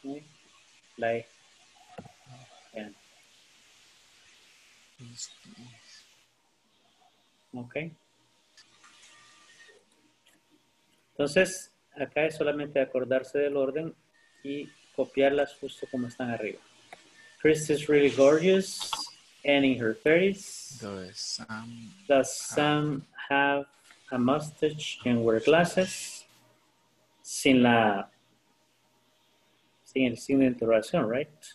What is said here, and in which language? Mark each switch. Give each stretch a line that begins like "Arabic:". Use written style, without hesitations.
Spanish: ¿Sí? La E. Bien. Ok. Entonces, acá es solamente acordarse del orden y copiarlas justo como están arriba.
English: Chris is really gorgeous and in her 30s. Does Sam have a mustache and wear glasses?
Spanish: Sin la, sin el signo de interrogación,
English: right?